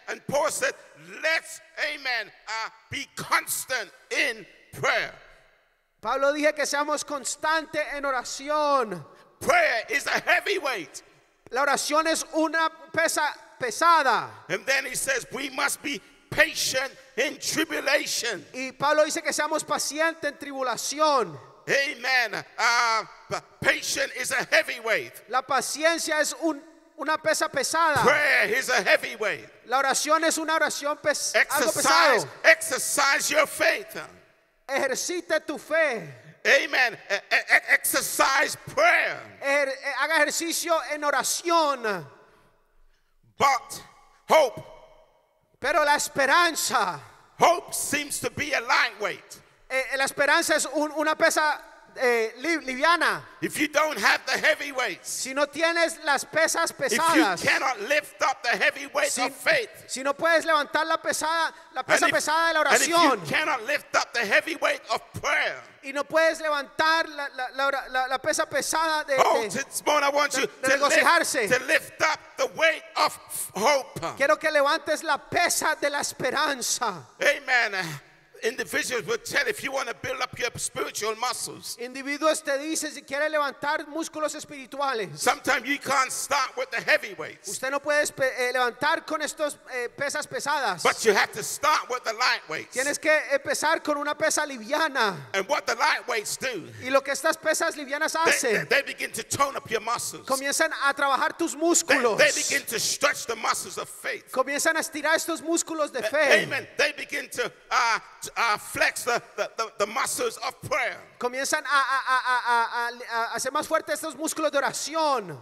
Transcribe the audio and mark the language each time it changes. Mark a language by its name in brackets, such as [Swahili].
[English] And Paul said, let's, amen, be constant in prayer. [Spanish] Pablo dije que seamos constantes en oración. [English] Prayer is a heavyweight. [Spanish] La oración es una pesada. [English] And then he says, we must be patient in tribulation. [Spanish] Y Pablo dice que seamos pacientes en tribulación. [English] Amen. Patient is a heavyweight. [Spanish] La paciencia es una pesa pesada. [English] Prayer is a heavyweight. [Spanish] La oración es una oración pesada. [English] Exercise your faith. [Spanish] Ejercite tu fe. [English] Amen. Exercise prayer. [Spanish] Haga ejercicio en oración. [English] But hope. [Spanish] Pero la esperanza. [English] Hope seems to be a lightweight. [Spanish] La esperanza es una pesa liviana. [English] If you don't have the heavyweights, [Spanish] si no tienes las pesas pesadas, [English] if you cannot lift up the heavyweight of faith, [Spanish] si no puedes levantar la pesa pesada de la oración, [English] and if you cannot lift up the heavyweight of prayer, [Spanish] y no puedes levantar la pesa pesada de regocijarse, [English] to lift up the weight of hope. [Spanish] Quiero que levantes la pesa de la esperanza. [English] Amen. Individuals will tell if you want to build up your spiritual muscles. [Spanish] Individuos te dicen si quiere levantar músculos espirituales. [English] Sometimes you can't start with the heavyweights. [Spanish] Usted no puede levantar con estos pesas pesadas. [English] But you have to start with the lightweights. [Spanish] Tienes que empezar con una pesa liviana. [English] And what the lightweights do? [Spanish] Y lo que estas pesas livianas hacen? [English] They begin to tone up your muscles. [Spanish] Comienzan a trabajar tus músculos. [English] They begin to stretch the muscles of faith. [Spanish] Comienzan a estirar estos músculos de fe. [English] Amen. They begin to flex the muscles of prayer. [Spanish] Comienzan a hacer más fuertes estos músculos de oración.